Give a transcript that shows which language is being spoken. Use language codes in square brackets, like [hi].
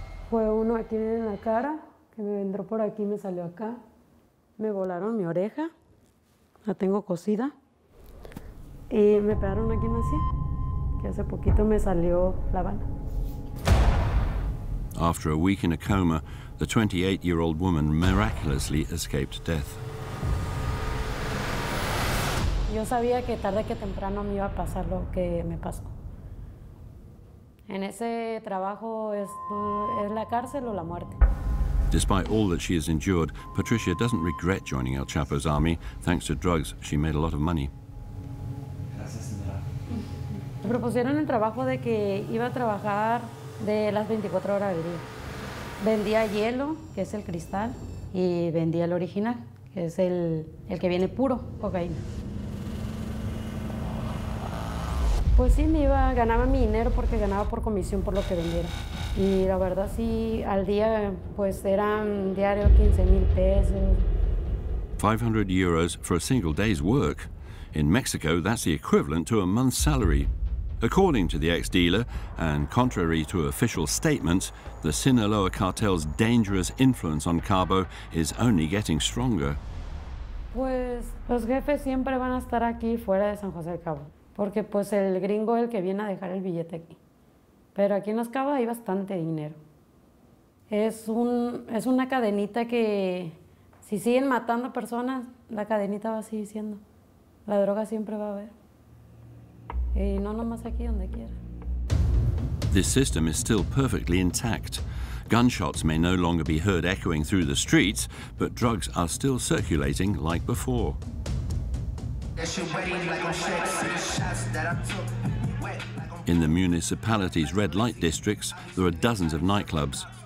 [es] Fue uno aquí en la cara que me entró por aquí y me salió acá. Me volaron mi oreja, la tengo cosida. Y me pegaron aquí en así, que hace poquito me salió la bala. [en] After a week in a coma, the 28-year-old woman miraculously escaped death. [es] Yo sabía que tarde que temprano me iba a pasar lo que me pasó. En ese trabajo es la cárcel o la muerte. [en] Despite all that she has endured, Patricia doesn't regret joining El Chapo's army. Thanks to drugs, she made a lot of money. [es] Me propusieron el trabajo de que iba a trabajar de las 24 horas del día. Vendía hielo, que es el cristal, y vendía el original, que es el que viene puro, cocaína. Pues sí, me iba, ganaba mi dinero porque ganaba por comisión por lo que vendiera. Y la verdad, sí, al día, pues eran diario 15,000 pesos. [en] 500 euros for a single day's work. In Mexico, that's the equivalent to a month's salary. According to the ex-dealer, and contrary to official statements, the Sinaloa cartel's dangerous influence on Cabo is only getting stronger. [es] Pues los jefes siempre van a estar aquí fuera de San José del Cabo. Porque pues el gringo es el que viene a dejar el billete aquí. Pero aquí en Los Cabos hay bastante dinero. Es una cadenita que si siguen matando personas, la cadenita va a seguir siendo. La droga siempre va a haber. Y no nomás aquí, donde quiera. [en] This system is still perfectly intact. Gunshots may no longer be heard echoing through the streets, but drugs are still circulating like before. In the municipality's red light districts, there are dozens of nightclubs.